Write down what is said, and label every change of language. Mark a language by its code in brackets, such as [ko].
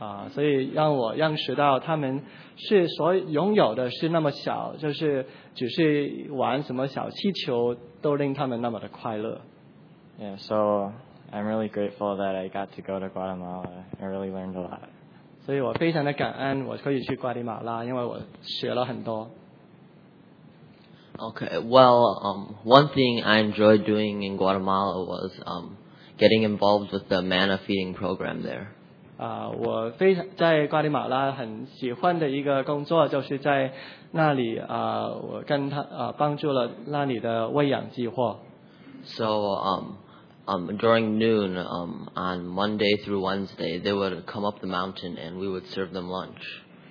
[zh] 所以让我认识到他们是所拥有的是那么小就是只是玩什么小气球都令他们那么的快乐 [en] Yeah, so I'm really grateful that I got to go to Guatemala I really learned a lot [zh] 所以我非常的感恩我可以去瓜地马拉因为我学了很多 [en] Okay, well, one thing I enjoyed doing in Guatemala was getting involved with the manna feeding program there [zh] 我非常在瓜地马拉很喜欢的一个工作就是在那里我跟他帮助了那里的喂养计划 [en] So during noon on Monday through Wednesday they would come up the mountain and we would serve them lunch